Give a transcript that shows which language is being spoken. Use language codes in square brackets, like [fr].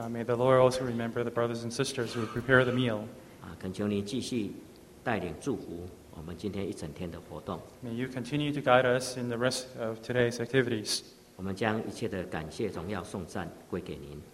[en] May the Lord also remember the brothers and sisters who prepare the meal. [zh] 恳求你继续带领祝福我们今天一整天的活动。 [en] May you continue to guide us in the rest of today's activities. [zh] 我们将一切的感谢荣耀颂赞归给您。